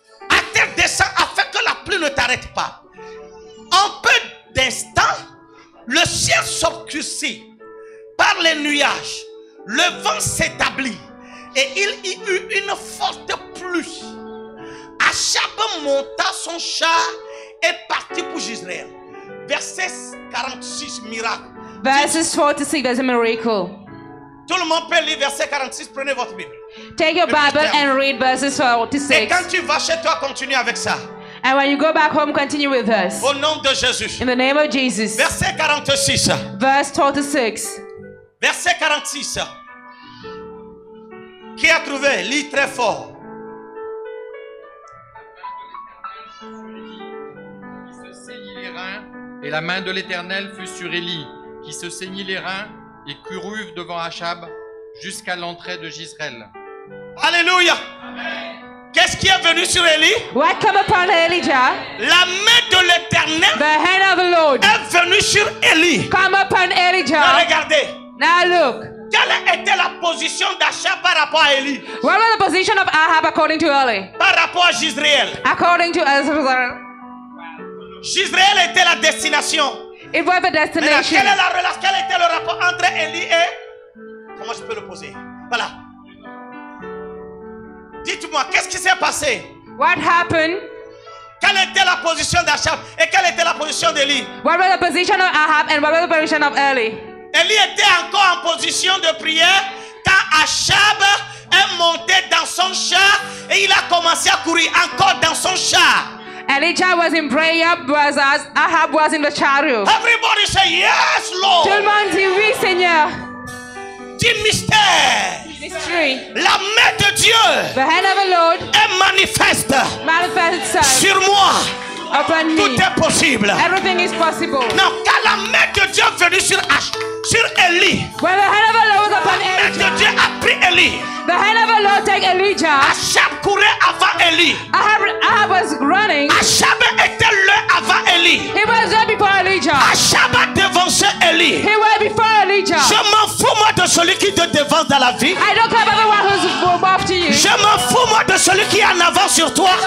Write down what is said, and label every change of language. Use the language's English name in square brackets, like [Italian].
[French] À terre descend afin que la pluie ne t'arrête pas. En peu d'instant, le ciel s'obscurcit par les nuages. Le vent s'établit et il y eut une forte pluie. Achab monta son char et partit pour Israël. Verset 46, miracle. [English] Verses 46, there's a miracle. [French] Tout le monde peut lire verset 46, prenez votre Bible. [English] Take your Bible and read verses 46. [French] Et quand tu vas chez toi, continue avec ça. [English] And when you go back home, continue with us. [French] Au nom de Jésus. [English] In the name of Jesus. [French] Verset 46. [English] Verse 46. [French] Verset 46. Qui a trouvé? Lis très fort. Il se saignit les reins et la main de l'Éternel fut sur Élie, qui se saignit les reins et courut devant Achab jusqu'à l'entrée de Jisrael. Alléluia. Amen. Qu'est-ce qui est venu sur Élie? [English] What came upon Elijah? [French] La main de l'Éternel. [English] The hand of the Lord. [French] Est venu sur Élie. [English] Come upon Elijah. [French] Non, regardez. [English] Now look. [French] Quelle était la position d'Achab par rapport à Élie? [English] What was the position of Ahab according to Eli? [French] Par rapport à Jisrael. [English] According to Israel. [French] Jisrael était la destination. [English] It was the destination. [French] Mais quelle est la relation? Quel était le rapport entre Élie et? Comment je peux le poser? Voilà. Dites-moi, qu'est-ce qui s'est passé? [English] What happened? [French] Quelle était la position d'Achab et quelle était la position d'Élie? [English] What was the position of Ahab and what was the position of Eli? [French] Élie était encore en position de prière quand Achab est monté dans son char et il a commencé à courir encore dans son char. [English] Elijah was in prayer, but Ahab was in the chariot. Everybody say yes, Lord. [French] Tout le monde dit oui, Seigneur. Dis mystère. [English] Mystery. [French] La main de Dieu. [English] The hand of the Lord. [French] Est manifeste. [English] Manifest itself. [French] Sur moi. [English] Upon me. [French] Tout est possible. [English] Everything is possible. [French] Non, quand la main de Dieu venu sur Elie. [English] When the hand of the Lord was upon Elijah. [French] La main de Dieu a pris Elie. [English] The hand of the Lord take Elijah. [French] Achab courait avant Elie. [English] Ahab was running. [French] Achab était là avant Elie. [English] He was there before Elijah. [French] Achab a devancé Elie. [English] He was before Elijah. [French] Je m'en fous moi de celui qui te devance dans la vie. [English] I don't care about the one who's above to you. [French] Je m'en fous moi de celui qui est en avant sur toi.